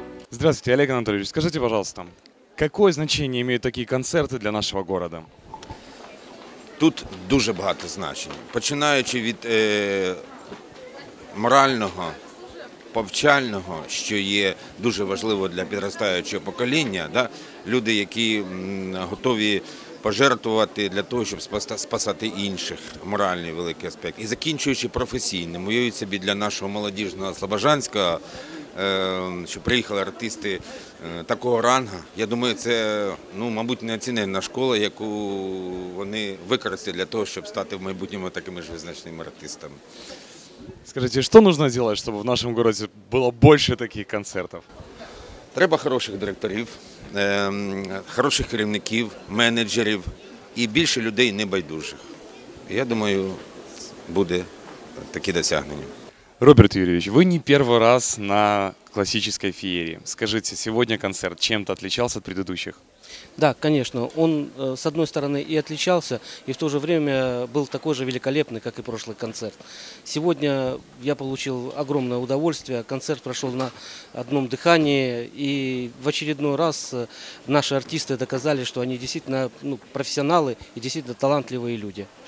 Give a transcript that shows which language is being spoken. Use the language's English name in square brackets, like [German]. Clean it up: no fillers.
[Russian] Здравствуйте, Олег Анатольевич. Скажите, пожалуйста, какое значение имеют такие концерты для нашего города? [Ukrainian] Тут дуже багато значень. Починаючи від морального, повчального, що є дуже важливо для підростаючого покоління, да? Люди, які готові пожертвувати для того, щоб спасати інших, моральний великий аспект. І закінчуючи професійним, уявіть собі, для нашого молодіжного Слобожанського, що приїхали артисти такого ранга. Я думаю, це, ну, мабуть, неоцінена школа, яку вони використали для того, щоб стати в майбутньому такими ж визначними артистами. Скажіть, що потрібно зробити, щоб в нашому місті було більше таких концертів? Треба хороших директорів, хороших керівників, менеджерів і більше людей небайдужих. Я думаю, буде такі досягнення. [Russian] Роберт Юрьевич, вы не первый раз на классической феерии. Скажите, сегодня концерт чем-то отличался от предыдущих? Да, конечно. Он, с одной стороны, и отличался, и в то же время был такой же великолепный, как и прошлый концерт. Сегодня я получил огромное удовольствие. Концерт прошел на одном дыхании, и в очередной раз наши артисты доказали, что они действительно профессионалы и действительно талантливые люди.